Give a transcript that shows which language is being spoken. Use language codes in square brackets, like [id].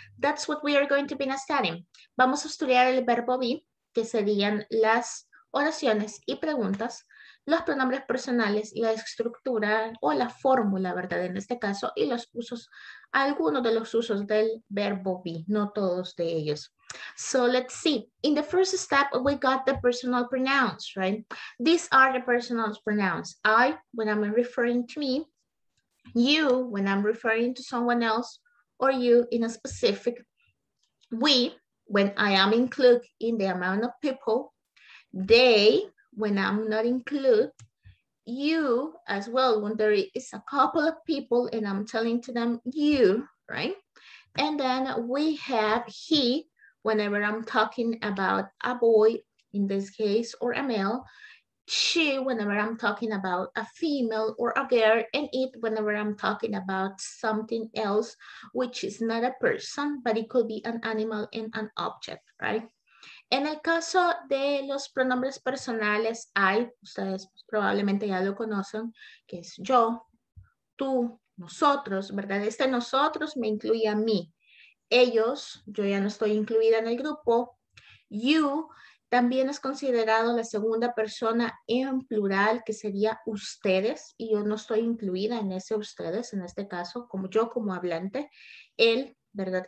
[en] That's what we are going to be studying. [es] Vamos a estudiar el verbo be, que serían las oraciones y preguntas, los pronombres personales, la estructura o la fórmula, ¿verdad? En este caso, y los usos, algunos de los usos del verbo be, no todos de ellos. [en] So let's see. In the first step, we got the personal pronouns, right? These are the personal pronouns. I, when I'm referring to me, you, when I'm referring to someone else, or you in a specific, we, when I am included in the amount of people, they, when I'm not included, you as well, when there is a couple of people and I'm telling to them you, right? And then we have he, whenever I'm talking about a boy, in this case, or a male, she, whenever I'm talking about a female or a girl, and it, whenever I'm talking about something else, which is not a person, but it could be an animal and an object, right? [es] En el caso de los pronombres personales, I, ustedes probablemente ya lo conocen, que es yo, tú, nosotros, ¿verdad? Este nosotros me incluye a mí. Ellos, yo ya no estoy incluida en el grupo. You, también es considerado la segunda persona en plural, que sería ustedes, y yo no estoy incluida en ese ustedes, en este caso, como yo como hablante. Él, ¿verdad?